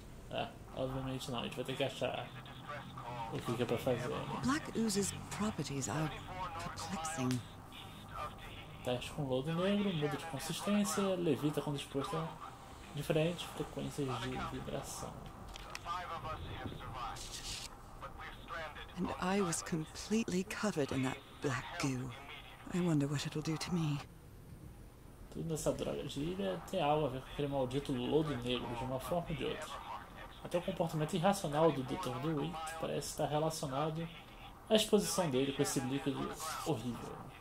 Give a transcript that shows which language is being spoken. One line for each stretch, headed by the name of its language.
Portuguese: É, obviamente não. A gente vai ter que achar o que é pra fazer.
English: Black Ooze's properties are perplexing.
Portuguese: Teste com lodo negro, muda de consistência, levita quando exposto a diferentes frequências de vibração.
English: And I was completely covered in that black goo. I wonder what it'll do to me.
Portuguese: Tudo nessa droga de ilha tem algo a ver com aquele maldito lodo negro, de uma forma ou de outra. Até o comportamento irracional do Dr. Dewey parece estar relacionado à exposição dele com esse líquido horrível.